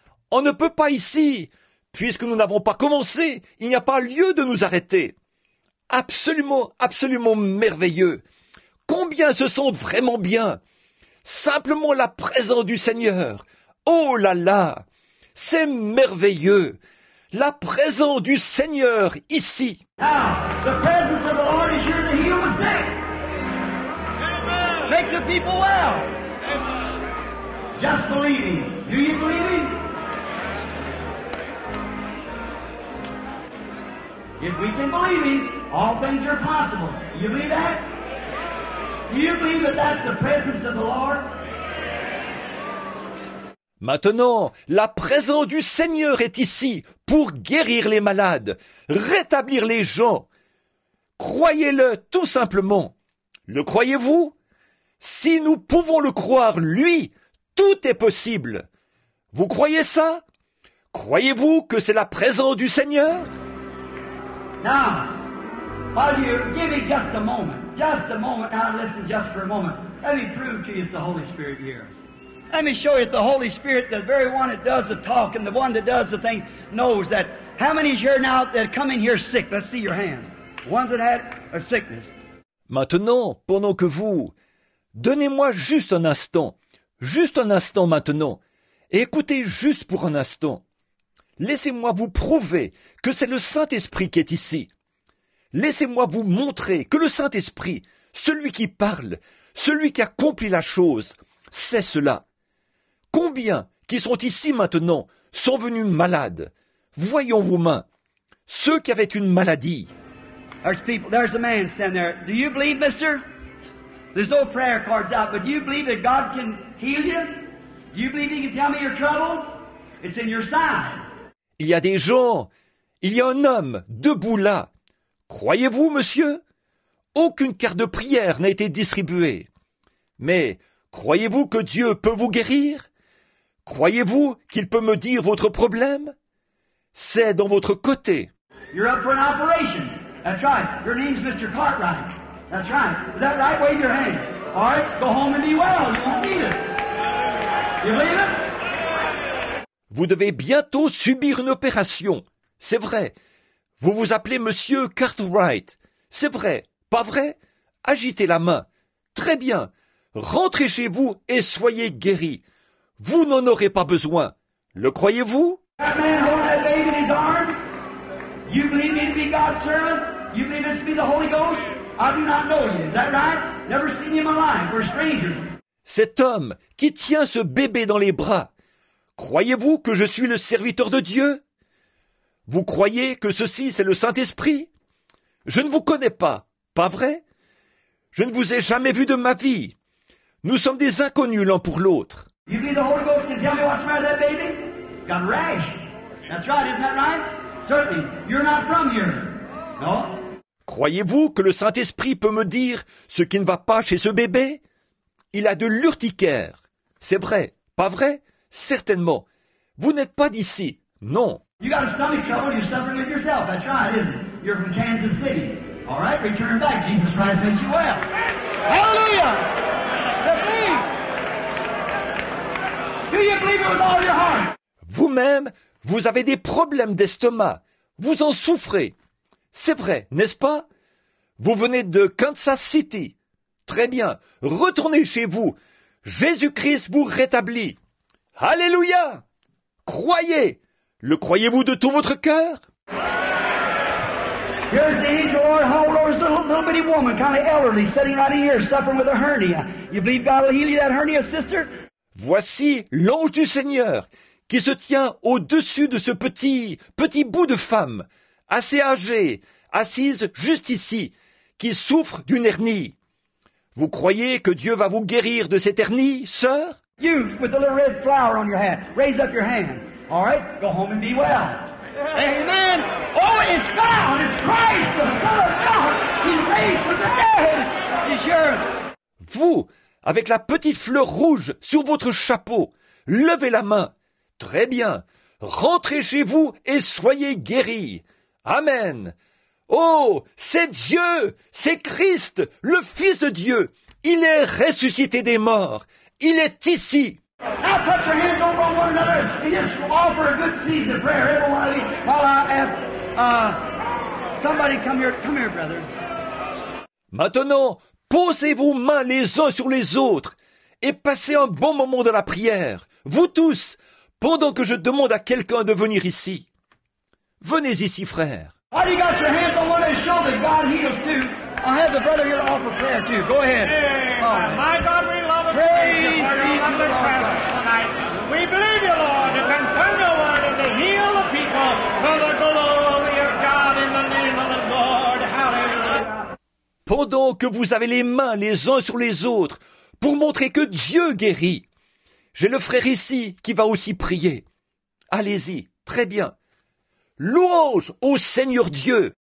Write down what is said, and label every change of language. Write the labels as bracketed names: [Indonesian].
[French] On ne peut pas ici. Puisque nous n'avons pas commencé, il n'y a pas lieu de nous arrêter. Absolument, absolument merveilleux. Combien se sentent vraiment bien. Simplement la présence du Seigneur. Oh là là, c'est merveilleux. La présence du Seigneur ici. [English] Now, the presence of the Lord is here to heal the sick. Amen. Make the people well. Amen. Just believe him. Do you believe him? If we can believe him, all things are possible. Do you believe that? Do you believe that that's the presence of the Lord? [French] Maintenant, la présence du Seigneur est ici pour guérir les malades, rétablir les gens. Croyez-le tout simplement. Le croyez-vous? Si nous pouvons le croire, lui, tout est possible. Vous croyez ça? Croyez-vous que c'est la présence du Seigneur? [English] Now, while you give me just a moment, now listen just for a moment. Let me prove to you it's the Holy Spirit here. Let me show you the Holy Spirit, the very one that does the talk and the one that does the thing, knows that. How many here now that come in here sick? Let's see your hands. Ones that had a sickness. [French] Maintenant, pendant que vous, donnez-moi juste un instant maintenant, et écoutez juste pour un instant. Laissez-moi vous prouver que c'est le Saint-Esprit qui est ici. Laissez-moi vous montrer que le Saint-Esprit, celui qui parle, celui qui accomplit la chose, c'est cela. Combien qui sont ici maintenant sont venus malades? Voyons vos mains. Ceux qui avaient une maladie. [English] There's people, there's a man standing there. Do you believe, mister? There's no prayer cards out, but do you believe that God can heal you? Do you believe he can tell me your trouble? It's in your side. [French] Il y a des gens. Il y a un homme debout là. Croyez-vous, monsieur? Aucune carte de prière n'a été distribuée. Mais croyez-vous que Dieu peut vous guérir? Croyez-vous qu'il peut me dire votre problème? C'est dans votre côté. [English] You're up for an operation. That's right. Your name's Mr. Cartwright. That's right. Is that right? Wave your hand. All right. Go home and be well. You won't need it. You believe it? [French] Vous devez bientôt subir une opération. C'est vrai. Vous vous appelez Monsieur Cartwright. C'est vrai. Pas vrai? Agitez la main. Très bien. Rentrez chez vous et soyez guéri. Vous n'en aurez pas besoin. Le croyez-vous? [English] That man holding that baby in his arms? You believe me to be God's servant? You believe this to be the Holy Ghost? I do not know you. Is that right? Never seen you in my life. We're strangers. [French] Cet homme qui tient ce bébé dans les bras, croyez-vous que je suis le serviteur de Dieu? Vous croyez que ceci c'est le Saint-Esprit? Je ne vous connais pas, pas vrai? Je ne vous ai jamais vu de ma vie. Nous sommes des inconnus l'un pour l'autre. [English] You believe the Holy Ghost can tell me what's the matter with that baby? Got a rash. That's right, isn't that right? Certainly. You're not from here. No? [French] Croyez-vous que le Saint-Esprit peut me dire ce qui ne va pas chez ce bébé? Il a de l'urticaire. C'est vrai, pas vrai? Certainement. Vous n'êtes pas d'ici, non. [English] You got a stomach trouble, you're suffering with yourself. That's right, isn't it? You're from Kansas City. All right, return back. Jesus Christ makes you well. Hallelujah! The thief! Do you believe it with all your heart? [French] Vous-même, vous avez des problèmes d'estomac. Vous en souffrez. C'est vrai, n'est-ce pas? Vous venez de Kansas City. Très bien. Retournez chez vous. Jésus-Christ vous rétablit. Alléluia! Croyez! Le croyez-vous de tout votre cœur? [English] Here's the angel of the Lord, Hall Lord, little bitty woman, kind of elderly, sitting right here, suffering with a hernia. You believe God will heal you that hernia, sister? [French] Voici l'ange du Seigneur qui se tient au-dessus de ce petit bout de femme, assez âgée, assise juste ici, qui souffre d'une hernie. Vous croyez que Dieu va vous guérir de cette hernie, sœur? [English] You, with the little red flower on your hat, raise up your hand. All right, go home and be well. Amen. Oh, it's God, it's Christ, the Son of God. He's raised from the dead. He's yours. [French] Vous, avec la petite fleur rouge sur votre chapeau, levez la main. Très bien. Rentrez chez vous et soyez guéris. Amen. Oh, c'est Dieu, c'est Christ, le Fils de Dieu. Il est ressuscité des morts. Il est ici. [English] Now touch your hands over on one another and just offer a good seed of prayer, everyone of you, while I ask somebody come here, brother. [French] Maintenant, posez vos mains les uns sur les autres et passez un bon moment de la prière, vous tous, pendant que je demande à quelqu'un de venir ici. Venez ici, frère. [English] While you got your hands on one and show that God heals too, I'll have the brother here to offer prayer too. Go ahead. Hey, my God, we love you. Praise be to God. We believe you, Lord, to confirm your word and to heal the people for the glory of God in the name of the Lord. Hallelujah. [French] Pendant que vous avez les mains les uns sur les autres pour montrer que Dieu guérit, j'ai le frère ici qui va aussi prier. Allez-y, très bien. Louange au Seigneur Dieu.